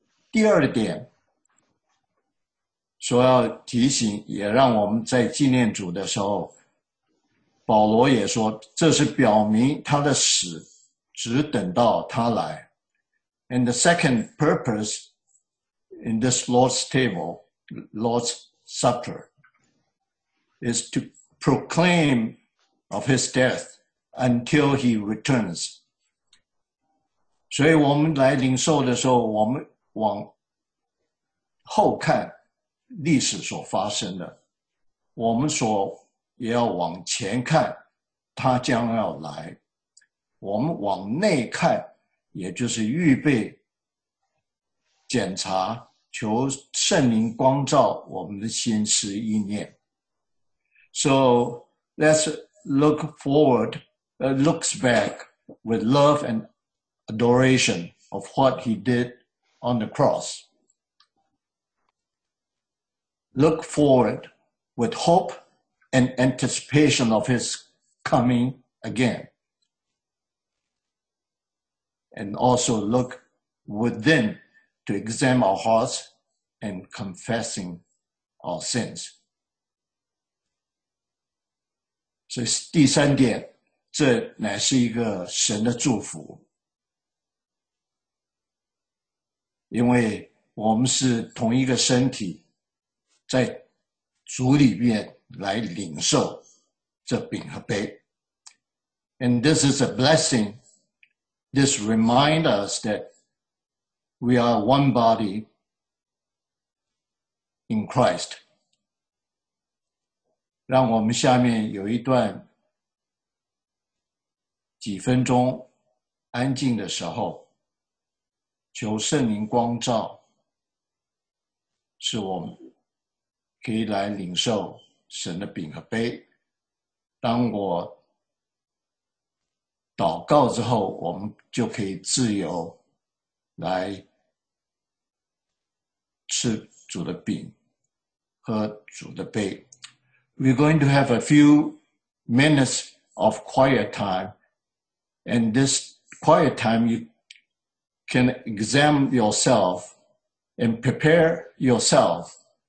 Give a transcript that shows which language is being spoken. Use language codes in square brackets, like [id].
[zh] 第二点所要提醒也让我们在纪念主的时候保罗也说这是表明他的死只等到他来。 [en] And the second purpose in this Lord's table, Lord's Supper, is to proclaim of his death until he returns. [zh] 所以我们来领受的时候我们往后看历史所发生的我们所也要往前看他将要来。我们往内看也就是预备检查求圣灵光照我们的心思意念。 [en] So, let's look forward, looks back with love and adoration of what he did on the cross. Look forward with hope and anticipation of his coming again. And also look within to examine our hearts and confessing our sins. [zh] 所以第三点，这乃是一个神的祝福，因为我们是同一个身体，在主里面来领受这饼和杯。 [en] And this is a blessing. This reminds us that we are one body in Christ. [zh] 让我们下面有一段几分钟安静的时候，求圣灵光照，使我们可以来领受神的饼和杯。当我祷告之后，我们就可以自由来吃主的饼，喝主的杯。 [en] We're going to have a few minutes of quiet time, and this quiet time you can examine yourself and prepare yourself.